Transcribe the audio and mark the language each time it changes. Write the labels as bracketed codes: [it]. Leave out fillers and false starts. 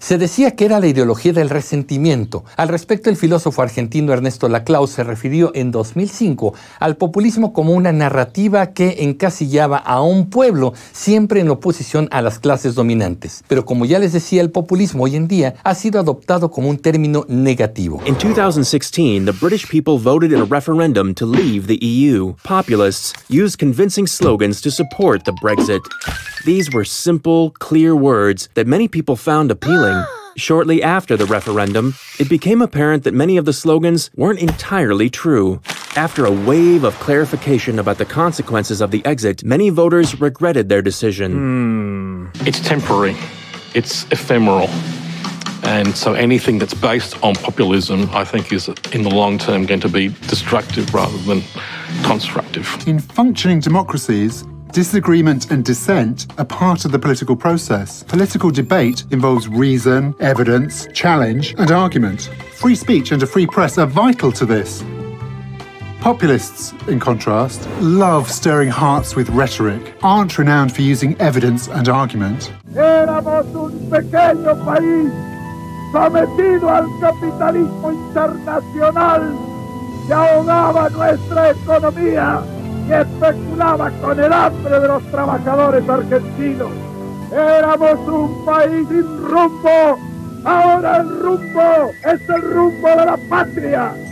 [es] Se decía que era la ideología del resentimiento. Al respecto, el filósofo argentino Ernesto Laclau se refirió en 2005 al populismo como una narrativa que encasillaba a un pueblo siempre en oposición a las clases dominantes. Pero como ya les decía, el populismo hoy en día ha sido adoptado como un término negativo. [en] En 2016, the British people voted in a referendum to leave the EU. Populists use convincing slogans to support the Brexit. These were simple, clear words that many people found appealing. Shortly after the referendum, it became apparent that many of the slogans weren't entirely true. After a wave of clarification about the consequences of the exit, many voters regretted their decision. It's temporary. It's ephemeral. And so anything that's based on populism, I think, is in the long term going to be destructive rather than constructive. In functioning democracies, disagreement and dissent are part of the political process. Political debate involves reason, evidence, challenge, and argument. Free speech and a free press are vital to this. Populists, in contrast, love stirring hearts with rhetoric, aren't renowned for using evidence and argument. [es] Éramos un pequeño país sometido al capitalismo internacional que ahogaba nuestra economía y especulaba con el hambre de los trabajadores argentinos. Éramos un país sin rumbo. Ahora el rumbo es el rumbo de la patria.